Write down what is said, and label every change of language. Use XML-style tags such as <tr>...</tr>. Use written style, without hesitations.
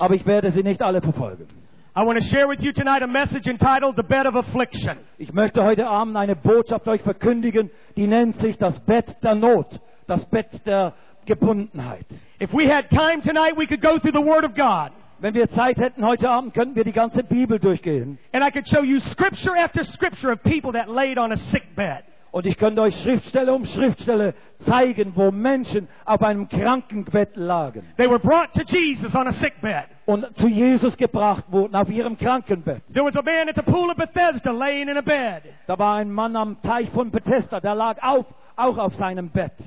<de>Aber ich werde sie nicht alle verfolgen.</de> <en>I want to share with you tonight a message entitled "The Bed of Affliction."</en> <de>Ich möchte heute Abend eine Botschaft euch verkündigen, die nennt sich das Bett der Not, das Bett der Gebundenheit.</de> <en>If we had time tonight, we could go through the Word of God.</en> <de>Wenn wir Zeit hätten heute Abend, könnten wir die ganze Bibel durchgehen.</de> <en>And I could show you scripture after scripture of people that laid on a sick bed.</en> <de>Und ich könnte euch Schriftstelle um Schriftstelle zeigen, wo Menschen auf einem Krankenbett lagen.</de> <en>They were brought to Jesus on a sick bed.</en> <de>Und zu Jesus gebracht wurden auf ihrem Krankenbett.</de> <en>There was a man at the pool of Bethesda laying in a bed.</en> <de>Da war ein Mann am Teich von Bethesda, der lag auch auf seinem Bett.</de>